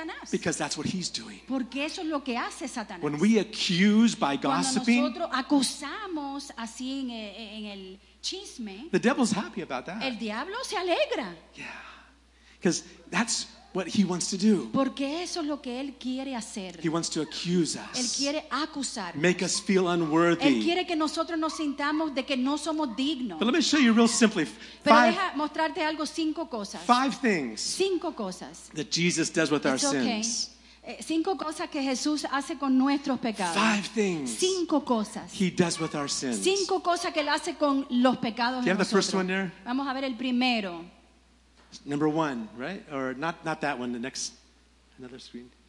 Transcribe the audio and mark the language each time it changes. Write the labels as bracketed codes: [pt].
[en] Because that's what he's doing. [es] Porque eso es lo que hace Satanás. [en] When we accuse by gossiping, [es] cuando nosotros acusamos así en el chisme, [en] the devil's happy about that. [es] El diablo se alegra. [en] Yeah, because that's what he wants to do. [es] Porque eso es lo que él quiere hacer. [en] He wants to accuse us. [es] Él quiere acusar. [en] Make us feel unworthy. [es] Él quiere que nosotros nos sintamos de que no somos dignos. [en] But let me show you real simply. [es] Pero deja mostrarte algo cinco cosas. [en] Five things. [es] Cinco cosas. [en] That Jesus does with it's our okay. sins. [es] Cinco cosas que Jesús hace con nuestros pecados. [en] Five things. [es] Cinco cosas. [en] He does with our sins. [es] Cinco cosas que él hace con los pecados. [en] Do you have the first one there? [es] Vamos a ver el primero. [en] Number one, right? Or not that one, the next, another screen.